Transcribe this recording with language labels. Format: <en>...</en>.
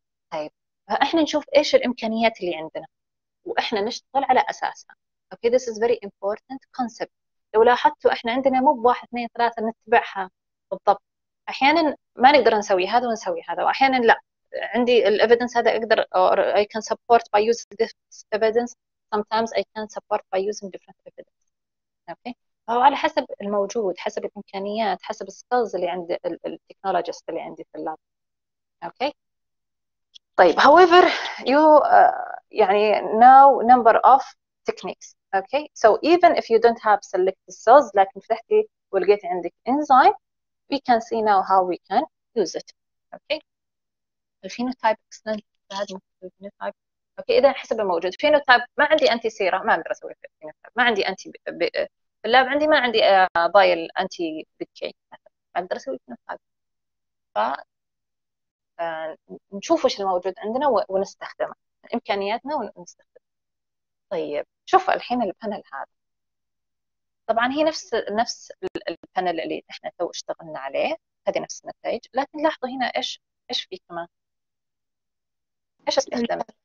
<ar>طيب احنا نشوف ايش الامكانيات اللي عندنا واحنا نشتغل على اساسها اوكي</ar> <en>this is very important concept</en> <ar>لو لاحظتوا احنا عندنا مو بواحد اثنين ثلاثة نتبعها بالضبط احيانا ما نقدر نسوي هذا ونسوي هذا واحيانا لا عندي الايفيدنس هذا اقدر</ar> <en>or I can support by using this evidence sometimes I can support by using different evidence</en> <ar>اوكي okay. وعلى حسب الموجود حسب الامكانيات حسب السكيلز اللي عند التكنولوجيست اللي عندي في اللاب اوكي okay.</ar> <en>طيب however you يعني now number of techniques Okay, so even if you don't have selected cells, like if you will get in the enzyme, we can see now how we can use it. Okay, the phenotype is not bad.</en> <ar>Okay, إذا حسب الموجود phenotype ما عندي anti sera ما أقدر أسوي phenotype ما عندي anti في اللاب عندي ما عندي ضايل anti BK ما أقدر أسوي phenotype فنشوف وش الموجود عندنا ونستخدمه إمكانياتنا ونستخدمه طيب شوف الحين البانل هذا طبعا هي نفس البانل اللي احنا تو اشتغلنا عليه هذه نفس النتائج لكن لاحظوا هنا ايش في كمان ايش استخدم</ar>